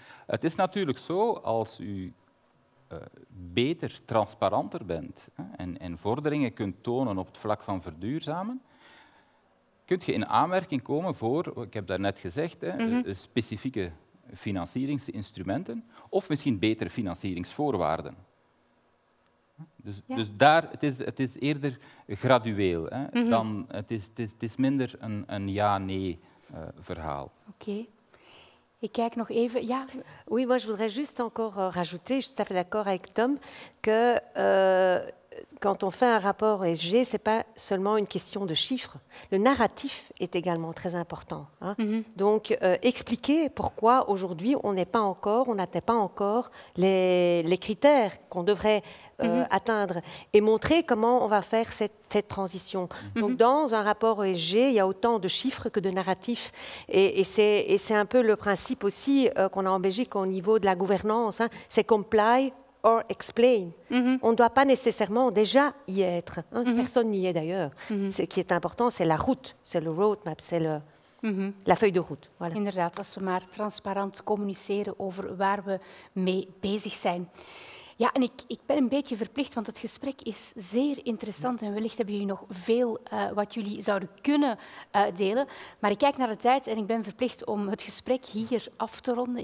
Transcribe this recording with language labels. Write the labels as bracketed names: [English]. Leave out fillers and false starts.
[Dutch] Het is natuurlijk zo, als u beter, transparanter bent en vorderingen kunt tonen op het vlak van verduurzamen, kunt je in aanmerking komen voor, ik heb daarnet gezegd, specifieke financieringsinstrumenten of misschien betere financieringsvoorwaarden. Dus daar, het is eerder gradueel. Hè, dan het is minder een ja-nee verhaal. Oké. Ik kijk nog even. Ja. [French] Oui, moi je voudrais juste encore rajouter, je suis tout à fait d'accord avec Tom, que quand on fait un rapport ESG, ce n'est pas seulement une question de chiffres. Le narratif est également très important. Hein. Donc, expliquer pourquoi aujourd'hui on n'atteint pas encore les critères qu'on devrait atteindre et montrer comment on va faire cette transition. Donc, dans un rapport ESG, il y a autant de chiffres que de narratifs. Et c'est un peu le principe aussi qu'on a en Belgique au niveau de la gouvernance. Hein. C'est [English] comply or explain. [French] On ne doit pas nécessairement déjà y être. Hein. Personne n'y est d'ailleurs. Ce qui est important, c'est la route, c'est le roadmap, c'est le... La feuille de route. Voilà. [Dutch] Inderdaad, als we maar transparant communiceren over waar we mee bezig zijn. Ja, en ik ben een beetje verplicht, want het gesprek is zeer interessant en wellicht hebben jullie nog veel wat jullie zouden kunnen delen. Maar ik kijk naar de tijd en ik ben verplicht om het gesprek hier af te ronden.